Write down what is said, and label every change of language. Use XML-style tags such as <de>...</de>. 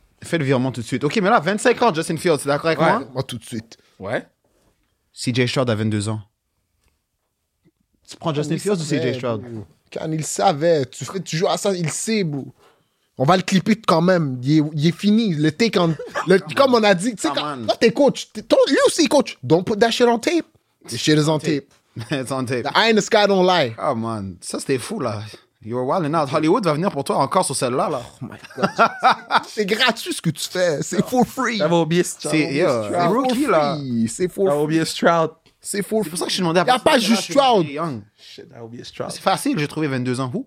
<fr>Fais le virement tout de suite. OK, mais là, 25 ans, Justin Fields, c'est d'accord avec moi? Moi, tout de suite. Ouais. CJ Stroud a 22 ans. Tu prends Justin Fields ou CJ Stroud? Quand il savait. Tu joues à ça, il sait, bro. On va le clipper quand même. Il est fini. Le take on... comme on a dit. Tu sais, toi, t'es coach. Lui aussi, coach.</fr> <en>Don't put that shit on tape. The shit is on tape. It's on tape. The eye in the sky don't lie. Oh man,</en> <fr>ça c'était fou là.</fr> <en>You're wilding out.</en> <fr>Hollywood va venir pour toi encore sur celle-là, là.</fr> <en>Oh my God.</en> <fr>C'est gratuit ce que tu fais. C'est</fr> <en>for free.</en> <fr>T'avais oublié Stroud. C'est rookie, là. C'est</fr> <en>for free.</en> <fr>T'avais oublié Stroud. C'est</fr> <en>for free.</en> <fr>C'est pour ça que je suis demandé à... Il n'y a pas juste Stroud. Shit, t'avais oublié Stroud. C'est facile, j'ai trouvé 22 ans.</fr>